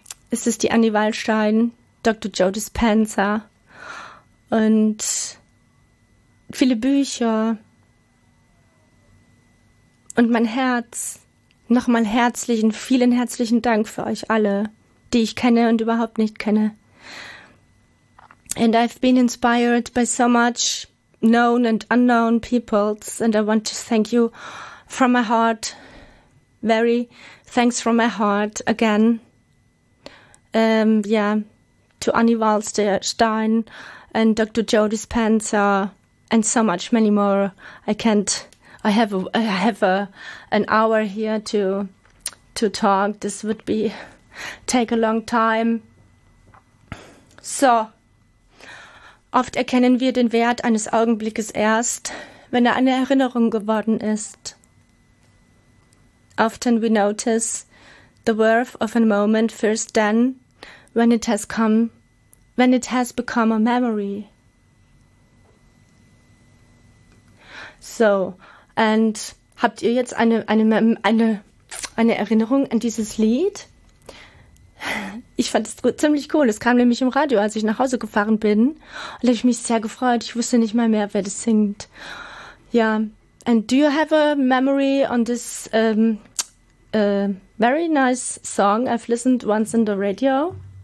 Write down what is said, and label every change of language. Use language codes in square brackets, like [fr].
[de] Ist es die Annie Wallstein, Dr. Joe Dispenza, und viele Bücher und mein Herz. Nochmal herzlichen, vielen herzlichen Dank für euch alle, die ich kenne und überhaupt nicht kenne. [en] And I've been inspired by so much known and unknown peoples, and I want to thank you from my heart, very thanks from my heart again. Yeah, to Annie Wallstein and Dr. Joe Dispenza, and so much, many more. I have an hour here to to talk. This would be take a long time. [de] So, oft erkennen wir den Wert eines Augenblickes erst, wenn er eine Erinnerung geworden ist. [en] Often we notice the worth of a moment first then, when it has become a memory. [de] So, and habt ihr jetzt eine Erinnerung an dieses Lied? Ich fand es ziemlich cool. Es kam nämlich im Radio, als ich nach Hause gefahren bin. Und da habe ich mich sehr gefreut. Ich wusste nicht mal mehr, wer das singt. [en] Ja, and do you have a memory on this very nice song I've listened once on the radio?